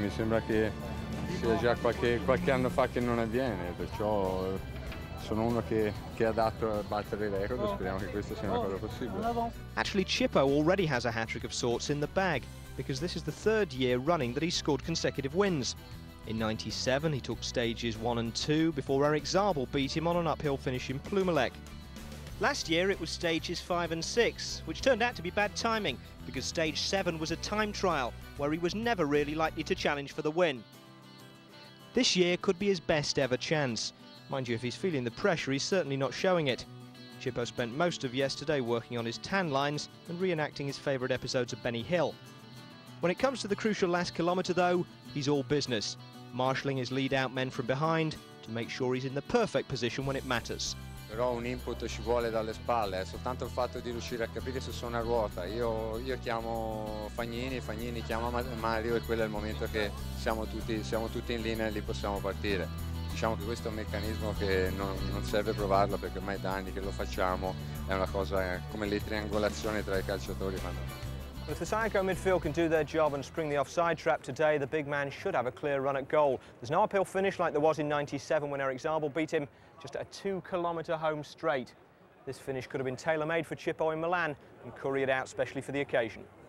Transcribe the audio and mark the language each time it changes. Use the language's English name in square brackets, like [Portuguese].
[Italian] Mi sembra che sia già qualche anno fa che non avviene, perciò sono uno che è adatto a battere il record. Speriamo che questa sia una cosa possibile. [English] Actually, Cipo already has a hat-trick of sorts in the bag, because this is the third year running that he's scored consecutive wins. In 97, he took stages 1 and 2 before Eric Zabel beat him on an uphill finish in Plumelec. Last year, it was stages 5 and 6, which turned out to be bad timing, because stage 7 was a time trial where he was never really likely to challenge for the win. This year could be his best ever chance. Mind you, if he's feeling the pressure, he's certainly not showing it. Cipo spent most of yesterday working on his tan lines and reenacting his favourite episodes of Benny Hill. When it comes to the crucial last kilometre, though, he's all business, marshalling his lead-out men from behind to make sure he's in the perfect position when it matters. [Italian] Però un input ci vuole dalle spalle, è soltanto il fatto di riuscire a capire se sono a ruota. Io chiamo Fagnini, Fagnini chiama Mario, e quello è il momento che siamo tutti in linea e lì possiamo partire. Diciamo che questo è un meccanismo che non serve provarlo, perché ormai da anni che lo facciamo, è una cosa come le triangolazioni tra i calciatori. [English] If the Cyclo midfield can do their job and spring the offside trap today, the big man should have a clear run at goal. There's no uphill finish like there was in 97 when Eric Zabel beat him, just a 2 kilometre home straight. This finish could have been tailor-made for Cipo in Milan and couriered out specially for the occasion.